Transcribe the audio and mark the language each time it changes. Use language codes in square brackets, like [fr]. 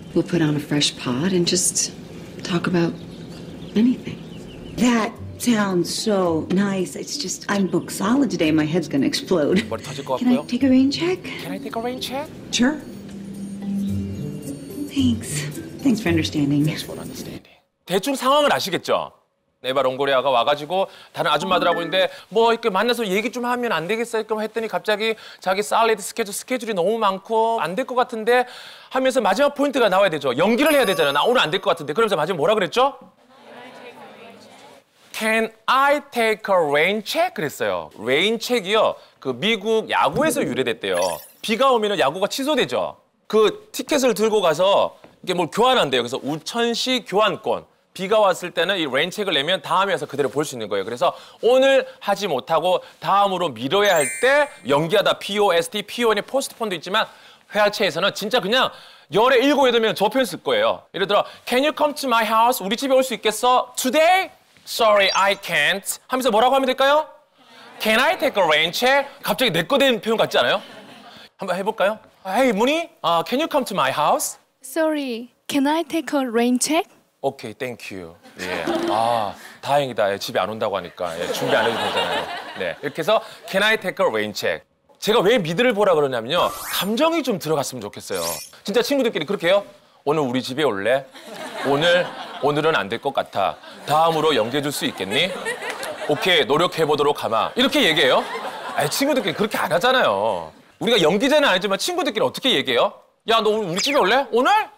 [en] We'll put on a fresh pod and just talk about anything. That sounds so nice. It's just I'm booked solid today. My head's gonna explode. What touch it go up? Can I take a rain check? Can I take a rain check? Sure. Thanks. Thanks for understanding. Thanks for understanding. [ko] 대충 상황을 아시겠죠? 에바 롱고리아가 와가지고 다른 아줌마들하고 있는데 뭐 이렇게 만나서 얘기 좀 하면 안 되겠어요? 했더니 갑자기 자기 샐러드 스케줄이 너무 많고 안 될 것 같은데 하면서 마지막 포인트가 나와야 되죠. 연기를 해야 되잖아. 나 오늘 안 될 것 같은데. 그러면서 마지막 뭐라 그랬죠? [en] Can I take a rain check? [ko] 그랬어요. [en] Rain check이요. [ko] 그 미국 야구에서 유래됐대요. 비가 오면 야구가 취소되죠. 그 티켓을 들고 가서 이게 뭘 교환한대요. 그래서 우천시 교환권. 비가 왔을 때는 이 레인책을 내면 다음에 와서 그대로 볼 수 있는 거예요. 그래서 오늘 하지 못하고 다음으로 미뤄야 할 때 연기하다 POST, PON이 포스트폰도 있지만 회화체에서는 진짜 그냥 열에 일곱, 여덟이면 저 표현 쓸 거예요. 예를 들어 [en] Can you come to my house? [ko] 우리 집에 올 수 있겠어? [en] Today? Sorry, I can't. [ko] 하면서 뭐라고 하면 될까요? [en] Can I take a rain check? [ko] 갑자기 내 거 된 표현 같지 않아요? 한번 해볼까요? [en] Hey, Mooney, can you come to my house? Sorry, can I take a rain check? [ko] 오케이, 땡큐. 예. 아, 다행이다. 예, 집에 안 온다고 하니까. 예, 준비 안 해도 되잖아요. 네. 이렇게 해서 [en] Can I take a rain check? [ko] 제가 왜 미드를 보라 그러냐면요. 감정이 좀 들어갔으면 좋겠어요. 진짜 친구들끼리 그렇게 요 오늘 우리 집에 올래? 오늘은 안 될 것 같아. 다음으로 연기해 줄 수 있겠니? 오케이, 노력해 보도록 하마. 이렇게 얘기해요? 아니, 친구들끼리 그렇게 안 하잖아요. 우리가 연기자는 아니지만 친구들끼리 어떻게 얘기해요? 야, 너 우리 집에 올래? 오늘?